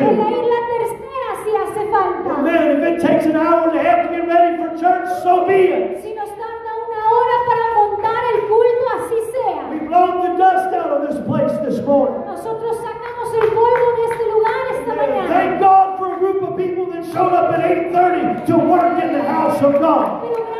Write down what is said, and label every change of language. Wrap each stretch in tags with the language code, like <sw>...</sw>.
<es>Voy a ir la tercera si hace falta.</es> <en>Amen. If it takes an hour and a half to get ready for church, so be it.</en> <es>Si nos tarda una hora para montar el culto, así sea.</es> <en>We blow the dust out of this place this morning.</en> <es>Nosotros sacamos el polvo de este lugar esta mañana.</es> <en>Thank God for a group of people that showed up at 8:30 to work in the house of God.</en>